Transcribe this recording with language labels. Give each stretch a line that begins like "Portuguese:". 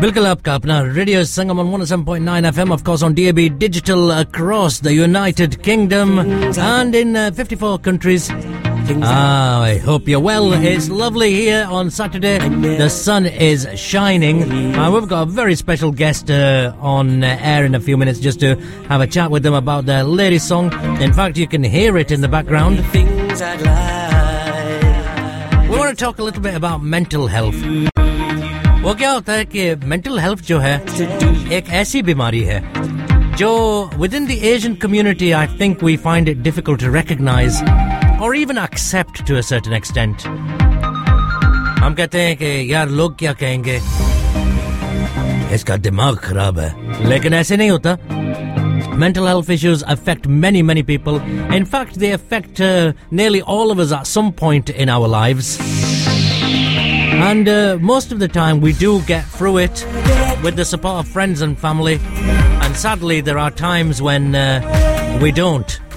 Hindi: बिल्कुल आपका अपना radio Sangam
English: 107.9 FM of course on DAB digital across the United Kingdom and in 54 countries. I hope you're well. It's lovely here on Saturday. The sun is shining. We've got a very special guest on air in a few minutes just to have a chat with them about their latest song. In fact, you can hear it in the background. We want to talk a little bit about mental health.
Hindi: वो क्या होता है कि mental health जो है एक ऐसी बीमारी है जो
English: Within the Asian community I think we find it difficult to recognise और even accept to a certain extent.
Hindi: हम कहते हैं कि यार लोग क्या कहेंगे, इसका दिमाग खराब है, लेकिन ऐसे नहीं होता।
English: Mental health issues affect many, many people. In fact, they affect nearly all of us at some point in our lives. And most of the time we do get through it with the support of friends and family. And sadly there are times when we don't.